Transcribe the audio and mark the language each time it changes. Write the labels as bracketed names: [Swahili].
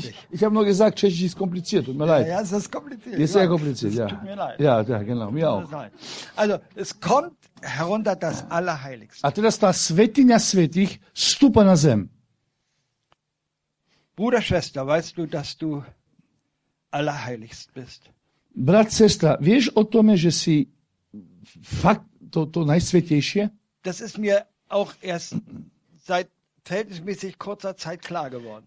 [German] Ich habe nur gesagt, Tschechisch ist kompliziert, tut mir leid. Ja, es ist kompliziert. Ist sehr kompliziert, ja. Tut mir leid. Ja, genau, mir auch. Also, es kommt herunter das Allerheiligste. [Slovak] A teraz tá svätyňa svätých vstúpa na zem. [German] Bruder, Schwester, weißt du, dass du allerheiligst bist? [Slovak] Brat, sestra, vieš o tom, že si fakt to najsvetejšie? [German] Das ist mir auch erst seit verhältnismäßig kurzer Zeit klar geworden.